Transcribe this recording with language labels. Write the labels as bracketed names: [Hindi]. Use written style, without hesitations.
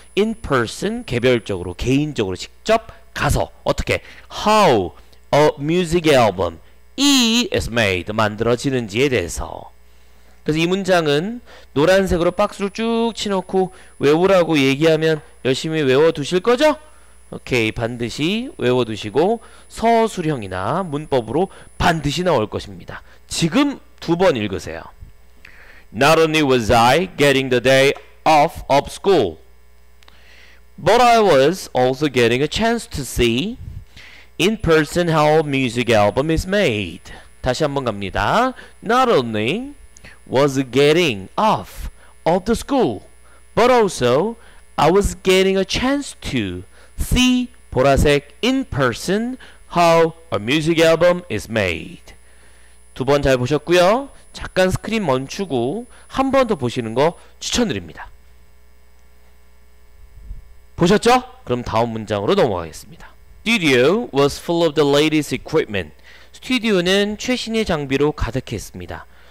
[Korean] in person 개별적으로 개인적으로 직접 가서 어떻게 [English] how a music album is made [Korean] 만들어지는지에 대해서 그래서 이 문장은 노란색으로 박스를 쭉 치놓고 외우라고 얘기하면 열심히 외워두실 거죠? 오케이 반드시 외워두시고 서술형이나 문법으로 반드시 나올 것입니다. 지금 두 번 읽으세요. [English] Not only was I getting the day off of school but I was also getting a chance to see in person how a music album is made. [Korean] 다시 한번 갑니다. [English] Not only was getting off of the school but also I was getting a chance to see [Korean] 보라색 [English] in person how a music album is made. [Korean] 두 번 잘 보셨고요. 잠깐 스크린 멈추고 한 번 더 보시는 거 추천드립니다. 보셨죠? 그럼 다음 문장으로 넘어가겠습니다. [English] Studio was full of the latest equipment. [Korean] 스튜디오는 최신의 장비로 가득했습니다.